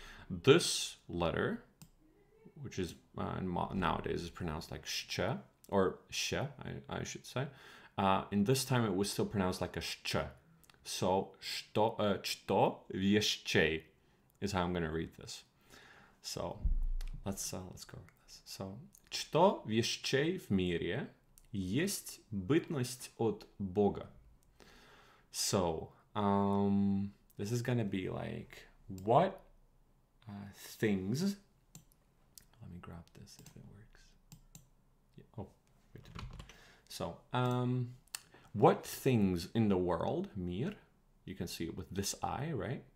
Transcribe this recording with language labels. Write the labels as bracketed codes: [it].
[en] This letter, which is nowadays is pronounced like ще, or ще, I should say. In this time, it was still pronounced like a ще. So, [cu] что ще [en] is how I'm going to read this. So, let's go over this. [cu] So, что ще в мире есть бытность от Бога? [en] So, this is going to be like, what things... Let me grab this if it works. Yeah. Oh, wait. So, what things in the world, mir, you can see it with this eye, right?